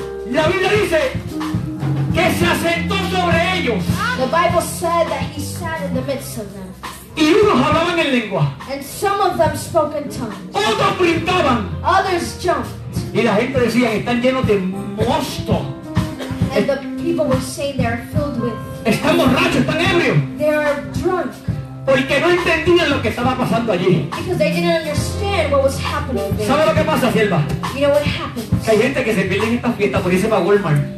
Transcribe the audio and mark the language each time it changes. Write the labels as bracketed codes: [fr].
[es] La Biblia dice que se asentó sobre ellos. [en] The Bible said that he sat in the midst of them. [es] Y unos hablaban en lengua. [en] And some of them spoke in tongues. [es] Otros brincaban. [en] Others jumped. [es] Y la gente decía, están llenos de mosto. [en] And the people were saying they are filled with. [es] Están borrachos, están ebrios. [en] They are drunk. [es] Porque no entendían lo que estaba pasando allí. [en] Because they didn't understand what was happening there. [es] ¿Sabe lo que pasa, sierva? [en] You know what happens? [es] Hay gente que se pierde en estas fiestas por irse para Walmart.